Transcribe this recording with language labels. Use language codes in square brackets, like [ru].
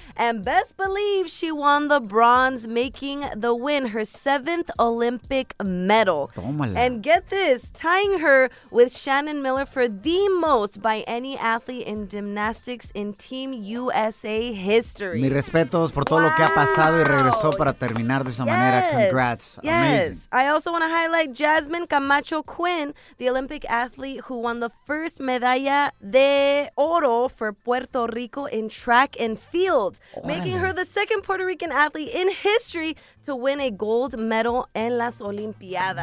[en] And best believe she won the bronze, making the win her 7th Olympic medal. [es] Tómala. [en] And get this, tying her with Shannon Miller for the most by any athlete in gymnastics in Team USA history. [es] Mi respetos por todo lo que ha pasado y regresó para terminar de esa manera. [en] Congrats. Yes. Amazing. I also want to highlight Jasmine Camacho Quinn, the Olympic athlete who won the first [es] medalla de oro [en] for Puerto Rico in track and field, making her the second Puerto Rican athlete in history to win a gold medal [es] en las Olimpiadas.